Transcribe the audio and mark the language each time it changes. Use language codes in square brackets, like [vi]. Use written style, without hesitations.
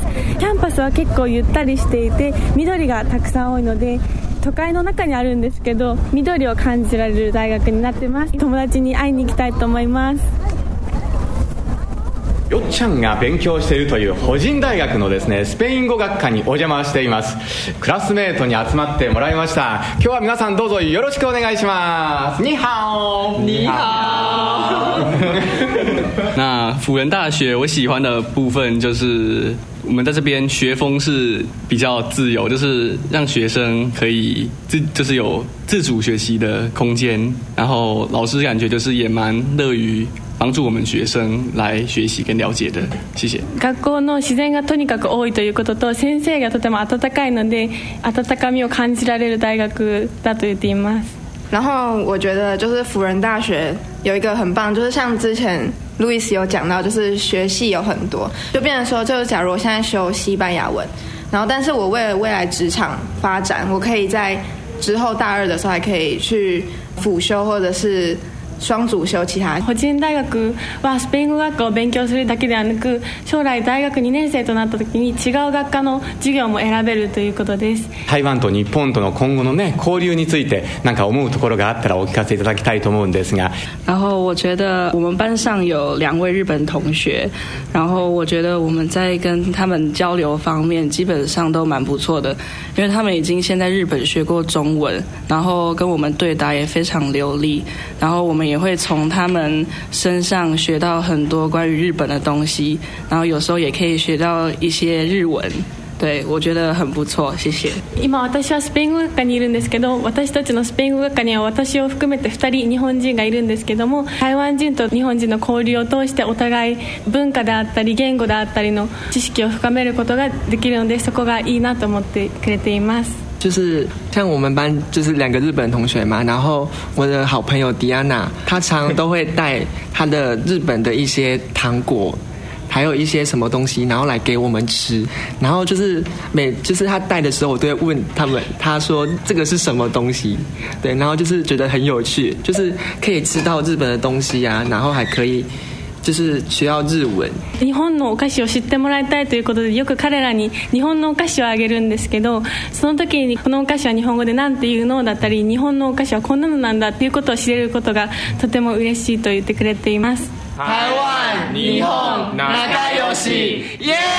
[ja] キャンパスは結構ゆったりしていて、緑がたくさん多いので、都会の中にあるんですけど緑を感じられる大学になってます。友達に会いに行きたいと思います。よっちゃんが勉強しているという法人大学のですねスペイン語学科にお邪魔しています。クラスメートに集まってもらいました。今日は皆さんどうぞよろしくお願いします。 [zh] ニハオニハオ。那辅仁大学我喜欢的部分就是我们在这边学风是比较自由，就是让学生可以就是有自主学习的空间，然后老师感觉就是也蛮乐于帮助我们学生来学习跟了解的。谢谢。 [ja] 学校の自然がとにかく多いということと先生がとても温かいので温かみを感じられる大学だと言っています。 [zh] 然后我觉得就是辅仁大学有一个很棒，就是像之前路易斯有讲到，就是学系有很多，就变成说，就是假如我现在修西班牙文，然后但是我为了未来职场发展，我可以在之后大二的时候还可以去辅修或者是双主修其他。 [ja] 法政大学はスペイン語学科を勉強するだけではなく、将来大学2年生となった時に違う学科の授業も選べるということです。台湾と日本との今後の、ね、交流について何か思うところがあったらお聞かせいただきたいと思うんですが。 [zh] 然后我觉得我们班上有两位日本同学，然后我觉得我们在跟他们交流方面基本上都蛮不错的，因为他们已经先在日本学过中文，然后跟我们对答也非常流利，然后我们也会从他们身上学到很多关于日本的东西，然后有时候也可以学到一些日文。对，我觉得很不错，谢谢。 [ja] 今私はスペイン語学科にいるんですけど、私たちのスペイン語学科には私を含めて2人日本人がいるんですけども、台湾人と日本人の交流を通してお互い文化であったり言語であったりの知識を深めることができるので、そこがいいなと思ってくれています。 [zh] 就是像我们班就是两个日本同学嘛，然后我的好朋友迪安娜，她常都会带她的日本的一些糖果，还有一些什么东西，然后来给我们吃。然后就是每就是她带的时候，我都会问他们，她说这个是什么东西？对，然后就是觉得很有趣，就是可以吃到日本的东西啊，然后还可以。就是需要日文。 [ja] 日本のお菓子を知ってもらいたいということで、よく彼らに日本のお菓子をあげるんですけど、その時にこのお菓子は日本語でなんていうのだったり、日本のお菓子はこんなのなんだということを知れることがとても嬉しいと言ってくれています。台湾日本仲良しイエーイ。